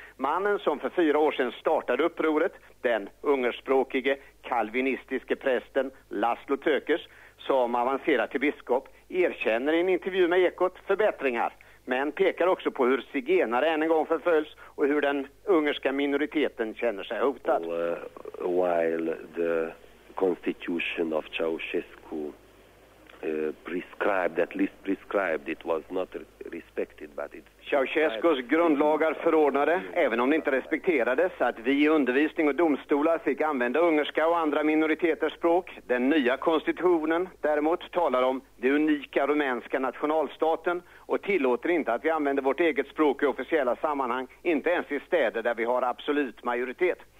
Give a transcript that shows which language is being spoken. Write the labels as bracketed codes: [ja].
[sv] Mannen som för 4 år sedan startade upproret, den ungerspråkige kalvinistiske prästen Laszlo Tökes, som avancerat till biskop, erkänner i en intervju med Ekot förbättringar. Men pekar också på hur zigenare än en gång förföljs och hur den ungerska minoriteten känner sig hotad. [en] While the constitution of Ceausescu prescribed, at least prescribed, it was not respected, but it... [sv] Ceausescus grundlagar förordnade, även om det inte respekterades, att vi i undervisning och domstolar fick använda ungerska och andra minoriteters språk. Den nya konstitutionen däremot talar om det unika rumänska nationalstaten och tillåter inte att vi använder vårt eget språk i officiella sammanhang, inte ens i städer där vi har absolut majoritet.